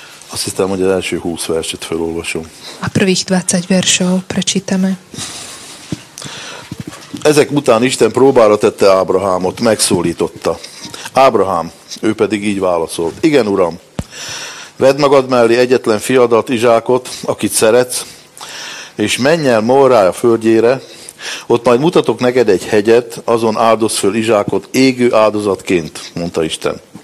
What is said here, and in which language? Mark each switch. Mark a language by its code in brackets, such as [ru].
[hu] Azt hiszem, hogy az első 20 verset felolvasom. [sk] A prvých 20 veršov prečítame. [hu] Ezek után Isten próbára tette Ábrahámot, megszólította. Ábrahám, ő pedig így válaszolt. Igen, Uram, vedd magad mellé egyetlen fiadat, Izsákot, akit szeretsz, és menj el Morája földjére, ott majd mutatok neked egy hegyet, azon áldozz föl Izsákot égő áldozatként, mondta Isten.